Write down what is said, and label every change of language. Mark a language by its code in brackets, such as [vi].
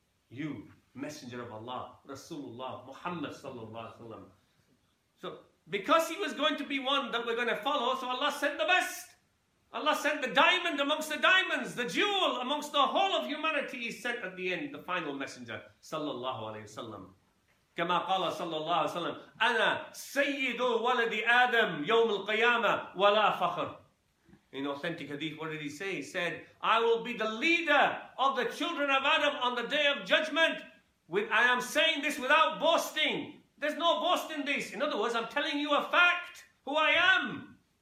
[en] You, Messenger of Allah, Rasulullah, Muhammad sallallahu alaihi wasallam. So, because he was going to be one that we're going to follow, so Allah sent the best. Allah sent the diamond amongst the diamonds, the jewel amongst the whole of humanity. He sent at the end, the final Messenger, sallallahu alaihi wasallam. [ar] كما قال صلى الله عليه وسلم أنا سيد ولد آدم يوم القيامة ولا فخر. [en] In authentic hadith, what did he say? He said, I will be the leader of the children of Adam on the day of judgment. I am saying this without boasting. There's no boast in this. In other words, I'm telling you a fact, who I am.